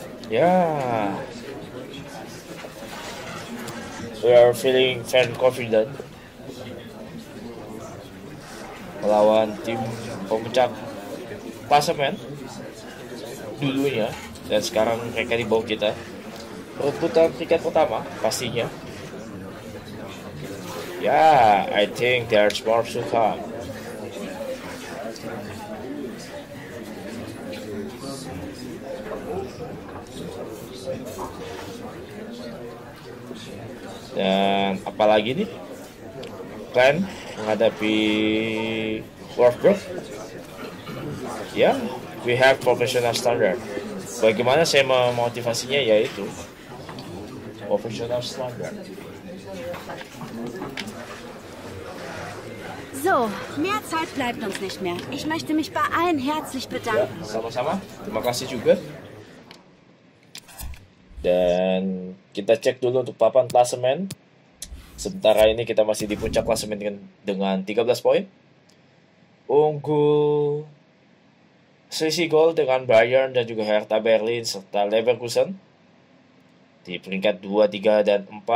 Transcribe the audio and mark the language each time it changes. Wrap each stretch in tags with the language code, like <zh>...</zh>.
<en>Yeah, we are feeling very confident</en> <id>melawan tim pemecah klasemen dulunya, dan sekarang mereka di bawah kita. rebutan tiket pertama pastinya.</id> <en>Yeah, I think there's more to come.</en> <id>Dan apalagi nih plan menghadapi Wolfsburg?</id> <en>Yeah, we have professional standard.</en> <id>Bagaimana saya memotivasinya, yaitu professional standard.</id> <de>So, mehr Zeit bleibt uns nicht mehr. Ich möchte mich bei allen herzlich bedanken.</de> <id>Ya, sama-sama. Terima kasih juga. Dan kita cek dulu untuk papan klasemen. Sementara ini kita masih di puncak klasemen dengan 13 poin. Unggul selisih gol dengan Bayern dan juga Hertha Berlin serta Leverkusen di peringkat 2, 3, dan 4.</id>